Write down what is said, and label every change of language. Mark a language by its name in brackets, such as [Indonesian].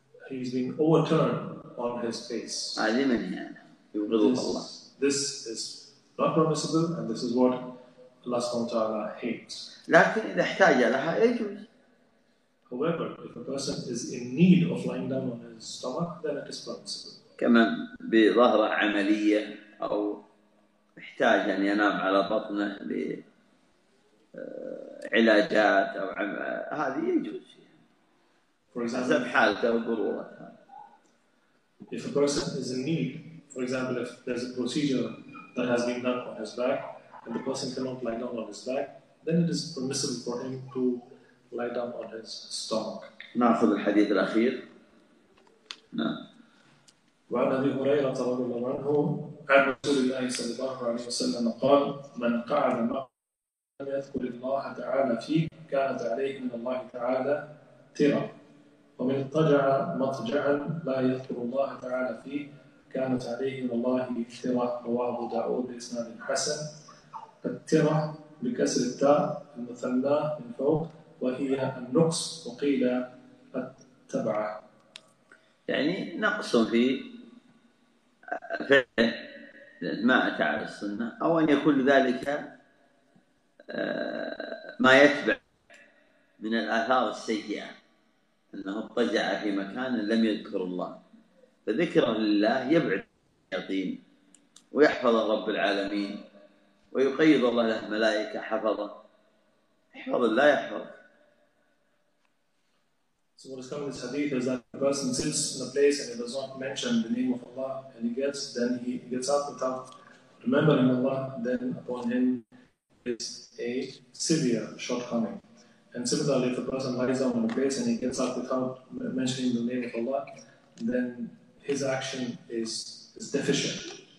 [English] He's been overturned on his face. [Arabic] هذه من هي أنا. يبغض الله. [English] This is not permissible, and this is what Allah Subhanahu wa Taala hates. [Arabic] لكن إذا احتاج لها يجوز. [English] However, if a person is in need of lying down on his stomach, then it is permissible. [Arabic] كما بظهر عملية أو احتاج أن ينام على بطنه لعلاجات أو هذه يجوز فيها حسب حالته وضرورته. [English] If a person is in need, for example, if there's a procedure that has been done on his back and the person cannot lie down on his back, then it is permissible for him to lie down on his stomach. [Arabic] نأخذ الحديث الأخير. نعم. وعن أبي هريرة رضي الله عنه عن رسول الله صلى الله عليه وسلم قال: من قعد ما لم يذكر الله تعالى فيه كانت عليه من الله تعالى ترى، ومن اضطجع مضجعا لا يذكر الله تعالى فيه كانت عليه من الله ترى. رواه ابو داود باسناد حسن. الترى بكسر التاء المثنى من فوق، وهي النقص، وقيل التبعه يعني نقص في فعل ما أتى على السنة، أو أن يكون ذلك ما يتبع من الآثار السيئة، أنه اضطجع في مكان لم يذكر الله، فذكره لله يبعد الشياطين ويحفظ رب العالمين ويقيض الله له ملائكة حفظه. احفظ الله يحفظه. [English] So what is coming in this hadith is that a person sits in a place and he does not mention the name of Allah, and he gets up without remembering Allah, then upon him is a severe shortcoming. And similarly, if a person lies down in a place and he gets up without mentioning the name of Allah, then his action is deficient.